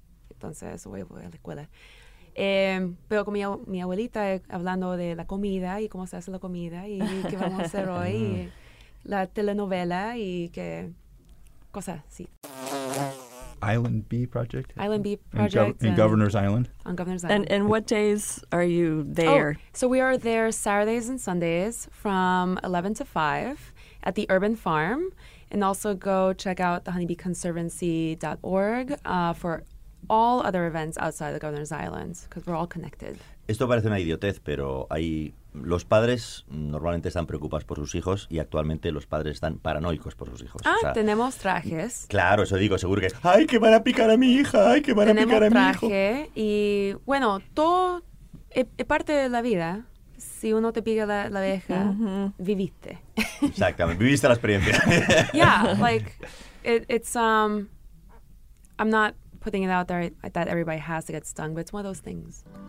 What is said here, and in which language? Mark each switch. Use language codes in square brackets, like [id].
[es] Entonces voy a la escuela. Pero con mi abuelita hablando de la comida y cómo se hace la comida y qué vamos a hacer hoy. Uh-huh. Y la telenovela y qué cosas, sí. [en] Island Bee Project. Island Bee Project. In Governor's Island. On Governor's Island. And what days are you there? Oh, so we are there Saturdays and Sundays from 11 to 5 at the Urban Farm. And also go check out the honeybeeconservancy.org for all other events outside of Governor's Island, because we're all connected. [es] Esto parece una idiotez, pero hay... Los padres normalmente están preocupados por sus hijos y actualmente los padres están paranoicos por sus hijos. Ah, o sea, tenemos trajes. Claro, eso digo, seguro que es, ¡ay, que van a picar a mi hija! ¡Ay, que van tenemos a picar a traje, mi hijo! Tenemos traje y, bueno, todo es parte de la vida. Si uno te pica la abeja, uh-huh. Viviste. Exactamente, viviste la experiencia. [en] Yeah, like, it's, I'm not putting it out there that everybody has to get stung, but it's one of those things.